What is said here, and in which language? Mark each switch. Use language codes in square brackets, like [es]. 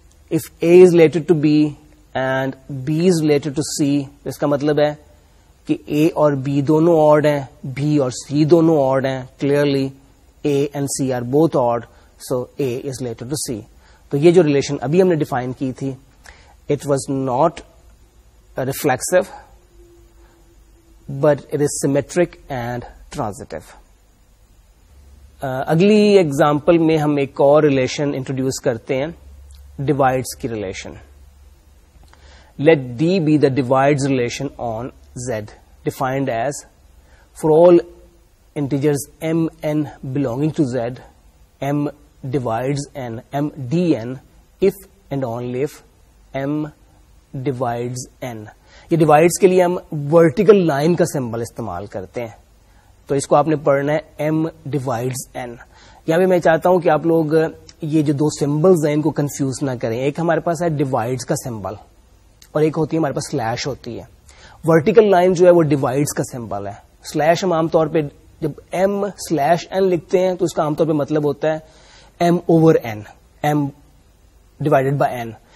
[en] if a is related to b and b is related to c [ur] اس کا مطلب ہے کہ a اور b دونوں آڈ ہیں b اور c دونوں آڈ ہیں. [en] Clearly a and c are both odd so a is related to c. [ur] تو یہ جو ریلیشن ابھی ہم نے ڈیفائن کی تھی [en] It was not reflexive but it is symmetric and transitive. [ur] اگلی ایگزامپل میں ہم ایک اور ریلیشن انٹروڈیوس کرتے ہیں ڈیوائڈس کی relation. [en] Let D be the divides relation on Z, defined as, for all integers M, N belonging to Z, M divides N, M, D, N, if and only if M divides N. [ur] یہ divides کے لیے ہم vertical line کا symbol استعمال کرتے ہیں. تو اس کو آپ نے پڑھنا ہے ایم ڈیوائڈز این. یہاں بھی میں چاہتا ہوں کہ آپ لوگ یہ جو دو سمبلز ہیں ان کو کنفیوز نہ کریں. ایک ہمارے پاس ہے ڈیوائڈز کا سمبل اور ایک ہوتی ہے ہمارے پاس سلیش ہوتی ہے. ورٹیکل لائن جو ہے وہ ڈیوائڈز کا سمبل ہے. سلیش ہم عام طور پہ جب ایم سلیش این لکھتے ہیں تو اس کا عام طور پہ مطلب ہوتا ہے [en] M over N, M divided by N.